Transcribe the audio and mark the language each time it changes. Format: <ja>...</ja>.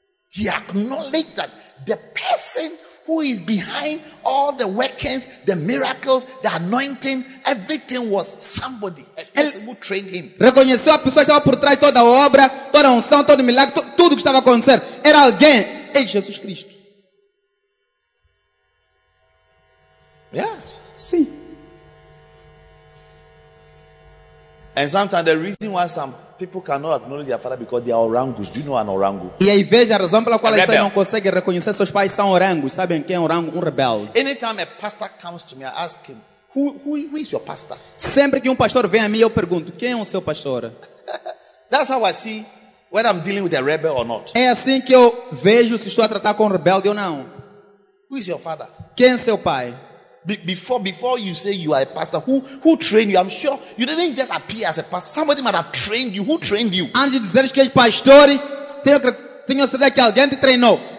<en>He acknowledged that the person who is behind all the workings, the miracles, the anointing, everything was somebody, a person who trained him.</en> <pt>Reconheceu a pessoa que estava por trás de toda a obra, toda a unção, todo o milagre, tudo que estava acontecendo. Era alguém, é Jesus Cristo.</pt> <en>Yes.</en> <pt>Sim.</pt> <en>And sometimes the reason why some people cannot acknowledge their father because they are orangos. Do you know an orango?</en> <pt>E aí veja a razão pela qual eles não conseguem reconhecer seus pais são orangos. Sabem quem é orango? Rebel.</pt> <en>Anytime a pastor comes to me, I ask him, who is your pastor?</en> <pt>Sempre que pastor vem a mim, eu pergunto, quem é o seu pastor?</pt> <en>That's how I see whether I'm dealing with a rebel or not.</en> <pt>É assim que eu vejo se estou a tratar com rebelde ou não.</pt> <en>Who is your father?</en> <pt>Quem é seu pai?</pt> <en>Before you say you are a pastor, who trained you? I'm sure you didn't just appear as a pastor. Somebody might have trained you. Who trained you?</en> <pt>Antes de dizeres que és pastor, tenho certeza que alguém te treinou.</pt>